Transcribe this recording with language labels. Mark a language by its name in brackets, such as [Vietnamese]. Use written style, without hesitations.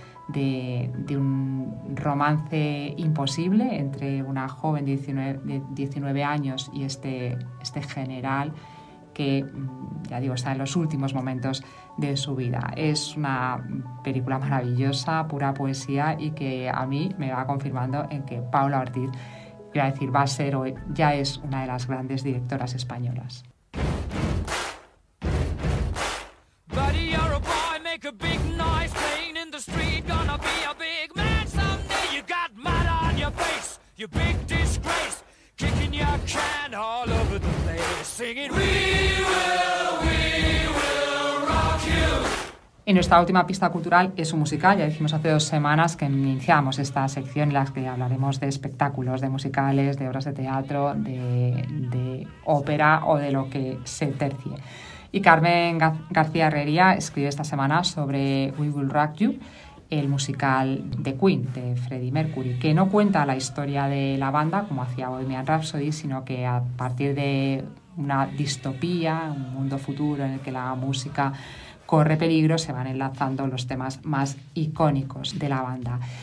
[Spanish] de un romance imposible entre una joven de 19 años y este general que, ya digo, está en los últimos momentos de su vida. Es una película maravillosa, pura poesía, y que a mí me va confirmando en que Paula Ortiz, iba a decir, va a ser o ya es una de las grandes directoras españolas. [English] Buddy, you're a boy, make a big noise, playing in the street, gonna be a big man someday. You got mud on your face, you big disgrace, kicking your can all over the place, singing we will, we will rock you. [Spanish] Y nuestra última pista cultural es un musical. Ya dijimos hace dos semanas que iniciamos esta sección en la que hablaremos de espectáculos, de musicales, de obras de teatro, de ópera o de lo que se tercie. Y Carmen García Herrería escribe esta semana sobre We Will Rock You, el musical de Queen, de Freddie Mercury, que no cuenta la historia de la banda como hacía Bohemian Rhapsody, sino que a partir de una distopía, un mundo futuro en el que la música corre peligro, se van enlazando los temas más icónicos de la banda.